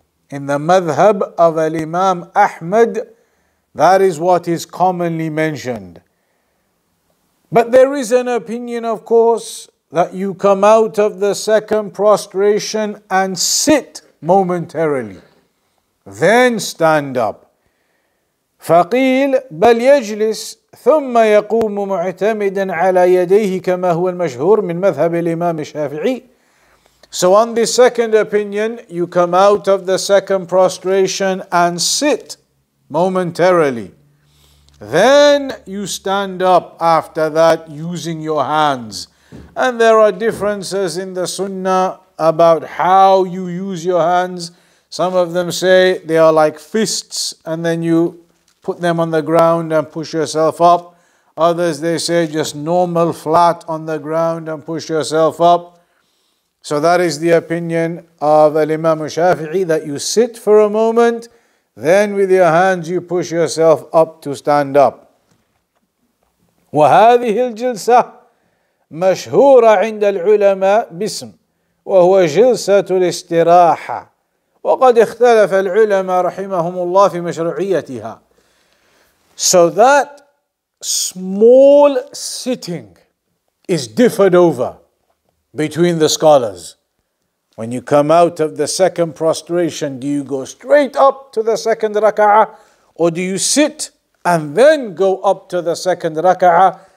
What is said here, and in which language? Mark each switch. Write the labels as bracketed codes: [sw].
[en] In the madhab of Al-Imam Ahmad, that is what is commonly mentioned. But there is an opinion, of course, that you come out of the second prostration and sit momentarily, then stand up. [ar] فقيل بل يجلس ثم يقوم معتمدا على يديه كما هو المشهور من مذهب الإمام الشافعي. [en] So on the second opinion, you come out of the second prostration and sit momentarily. Then you stand up after that using your hands. And there are differences in the sunnah about how you use your hands. Some of them say they are like fists and then you put them on the ground and push yourself up. Others they say just normal flat on the ground and push yourself up. So that is the opinion of Al-Imam Shafi'i, that you sit for a moment, then with your hands you push yourself up to stand up. [ar] وَهَذِهِ الْجِلْسَةِ مشهورة عند العلماء باسم وهو جلسة الاستراحة وقد اختلف العلماء رحمهم الله في مشروعيتها. [en] So that small sitting is differed over between the scholars. When you come out of the second prostration, do you go straight up to the second raka'ah, or do you sit and then go up to the second raka'ah?